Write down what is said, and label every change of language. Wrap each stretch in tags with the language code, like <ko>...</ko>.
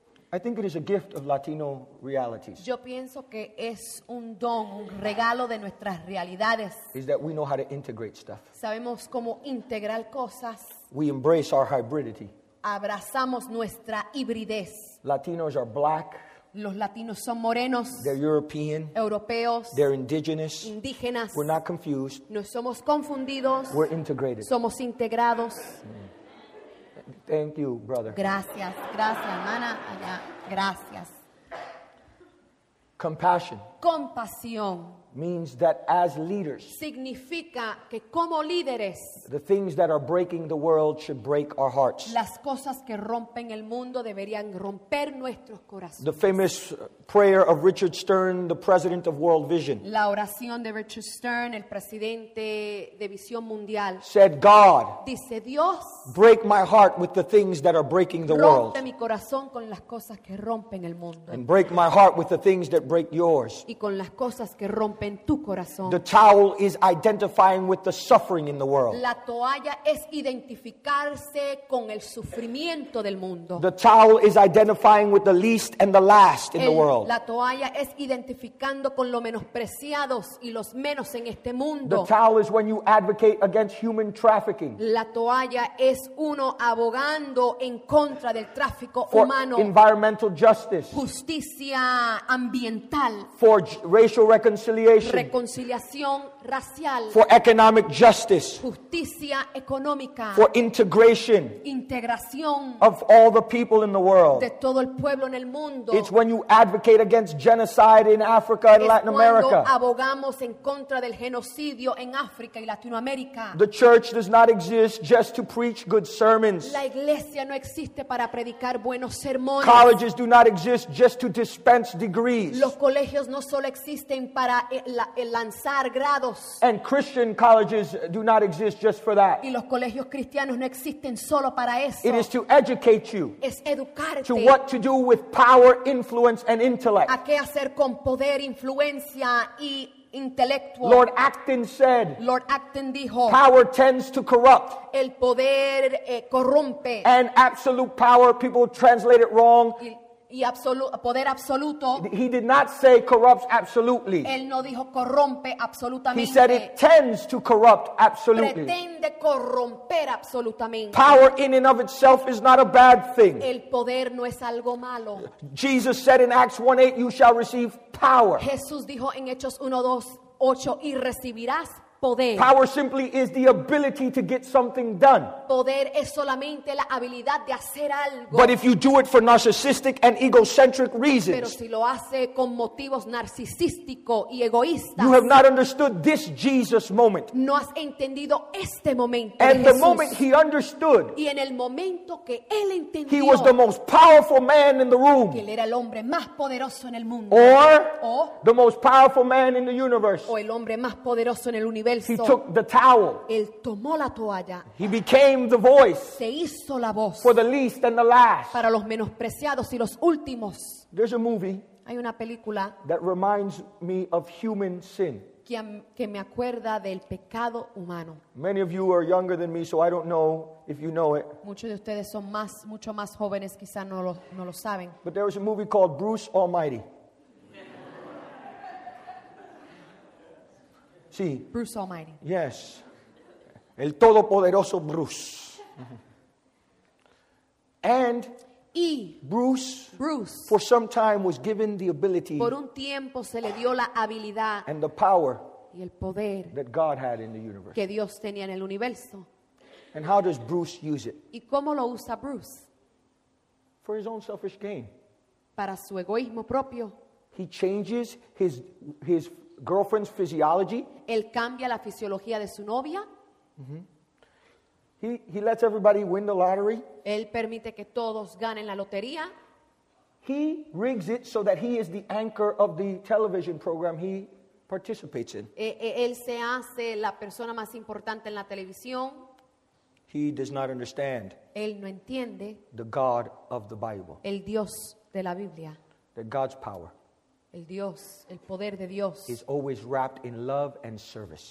<en>I think it is a gift of Latino realities.</en> <es>Yo pienso que es un don, un regalo de nuestras realidades.</es> <en>Is that we know how to integrate stuff.</en> <es>Sabemos cómo integrar cosas.</es> <en>We embrace our hybridity.</en> <es>Abrazamos nuestra hibridez.</es> <en>Latinos are black.</en> <es>Los latinos son morenos.</es> <en>They're European.</en> <es>Europeos.</es> <en>They're indigenous.</en> <es>Indígenas.</es> <en>We're not confused.</en> <es>No somos confundidos.</es> <en>We're integrated.</en> <es>Somos integrados.</es> <en>Thank you, brother.</en> <es>Gracias, gracias, hermana. Allá. Gracias.</es> <en>Compassion.</en> <es>Compasión.</es> <en>Means that as leaders,</en> <es>significa que como líderes,</es> <en>the things that are breaking the world should break our hearts.</en> <es>Las cosas que rompen el mundo deberían romper nuestros corazones.</es> <en>The famous prayer of Richard Stern, the president of World Vision.</en> <es>La oración de Richard Stern, el presidente de Visión Mundial.</es> <en>Said God,</en> <es>dice Dios,</es> <en>break my heart with the things that are breaking the world.</en> <es>Rompe mi corazón con las cosas que rompen el mundo.</es> <en>And break my heart with the things that break yours.</en> <es>Y con las cosas que rompen.</es> <en>The towel is identifying with the suffering in the world.</en> <es>La toalla es identificarse con el sufrimiento del mundo.</es> <en>The towel is identifying with the least and the last in the world.</en> <es>La toalla es identificando con los menospreciados y los menos en este mundo.</es> <en>The towel is when you advocate against human trafficking.</en> <es>La toalla es uno abogando en contra del tráfico</es> <en>for</en> <es>humano.</es> <en>For environmental justice.</en> <es>Justicia ambiental.</es> <en>For racial reconciliation.</en> <es>Reconciliación racial.</es> <en>For economic justice.</en> <es>Justicia económica.</es> <en>For integration.</en> <es>Integración.</es> <en>Of all the people in the world.</en> <es>De todo el pueblo en el mundo.</es> <en>It's when you advocate against genocide in Africa and</en> <es>es</es> <en>Latin America.</en> <es>Cuando abogamos en contra del genocidio en África y Latinoamérica.</es> <en>The church does not exist just to preach good sermons.</en> <es>La iglesia no existe para predicar buenos sermones.</es> <en>Colleges do not exist just to dispense degrees.</en> <es>Los colegios no solo existen para lanzar grados.</es> <en>And Christian colleges do not exist just for that.</en> <es>Y los colegios cristianos no existen solo para eso.</es> <en>It is to educate you.</en> <es>Es educarte.</es> <en>To what to do with power, influence, and intellect.</en> <es>A qué hacer con poder, influencia y intelectual.</es> <en>Lord Acton said.</en> <es>Lord Acton dijo.</es> <en>Power tends to corrupt.</en> <es>El poder corrompe.</es> <en>And absolute power, people translate it wrong.</en> <es>Y poder absoluto.</es> <en>He did not say corrupts absolutely.</en> <es>Él no dijo corrompe absolutamente.</es> <en>He said it tends to corrupt absolutely.</en> <es>Pretende corromper absolutamente.</es> <en>Power in and of itself is not a bad thing.</en> <es>El poder no es algo malo.</es> <en>Jesus said in Acts 1:8, you shall receive power.</en> <es>Jesús dijo en Hechos 1:8, y recibirás poder. Poder.</es> <en>Power simply is the ability to get something done.</en> <es>Poder es solamente la habilidad de hacer algo.</es> <en>But if you do it for narcissistic and egocentric reasons,</en> <es>pero si lo hace con motivos narcisístico y egoístas,</es> <en>you have not understood this Jesus moment.</en> <es>No has entendido este momento</es> <en>and the</en> <es>Jesús.</es> <en>Moment he understood,</en> <es>y en el momento que él entendió,</es> <en>he was the most powerful man in the room.</en> <es>Que él era el hombre más poderoso en el mundo.</es> <en>Or</en> <es>o,</es> <en>the most powerful man in the universe.</en> <es>O el hombre más poderoso en el</es> <en>He took the towel.</en> <es>Él tomó la toalla.</es> <en>He became the voice.</en> <es>Se hizo la voz.</es> <en>For the least and the last.</en> <es>Para los menospreciados y los últimos.</es> <en>There's a movie.</en> <es>Hay una película.</es> <en>That reminds me of human sin.</en> <es>Que me acuerda del pecado humano.</es> <en>Many of you are younger than me, so I don't know if you know it.</en> <es>Muchos de ustedes son más, mucho más jóvenes, quizá no lo saben.</es> <en>But there was a movie called Bruce Almighty.</en> <es>Sí.</es> <en>Bruce Almighty.</en> <es>Yes. El todopoderoso Bruce.</es> <en>And Bruce for some time was given the ability</en> <es>por un tiempo se le dio la habilidad</es> <en>and the power</en> <es>y el poder</es> <en>that God had in the universe.</en> <es>Que Dios tenía en el universo.</es> <en>And how does Bruce use it?</en> <es>¿Y cómo lo usa Bruce?</es> <en>For his own selfish gain.</en> <es>Para su egoísmo propio.</es> <en>He changes his girlfriend's physiology.</en> <es>Él cambia la fisiología de su novia. Mm-hmm.</es> <en>He lets everybody win the lottery.</en> <es>Él permite que todos ganen la lotería.</es> <en>He rigs it so that he is the anchor of the television program he participates in.</en> <es>Él se hace la persona más importante en la televisión.</es> <en>He does not understand.</en> <es>Él no entiende.</es> <en>The God of the Bible.</en> <es>El Dios de la Biblia.</es> <en>The God's power.</en> <es>El Dios, el poder de Dios.</es> <en>Is always wrapped in love and service.</en>